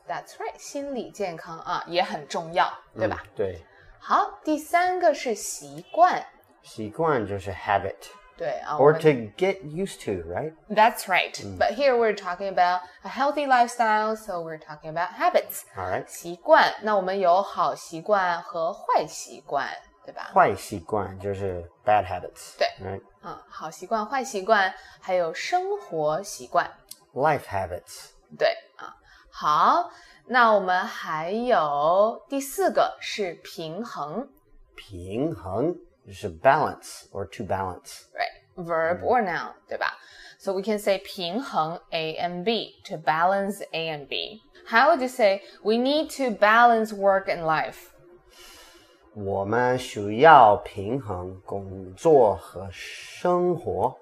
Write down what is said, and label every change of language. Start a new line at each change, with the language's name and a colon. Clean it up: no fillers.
English: That's right,
Chinese: 心理健康啊也很重要，对吧？对。好，第三个是习惯。习惯就是 habit. 对
English: or to get used to, right? That's right. But here we're talking about a healthy lifestyle, so we're talking about habits. All right.
Chinese: 习惯，那我们有好习惯和坏习惯，对吧？坏习惯就是
English: bad habits.
Chinese: 对。
English: Right?
Chinese: 好习惯、坏习惯，还有生活习惯。
English: Life habits.
Chinese: 对。好，那我们还有第四个是平衡。
English: 平衡。Just a balance or to balance. Right. Verb or noun,
Chinese: 对吧?
English: So we can say 平衡 A and B, to balance A and B. How would you say we need to balance work and life?
Chinese: 我们需要平衡工作和生活。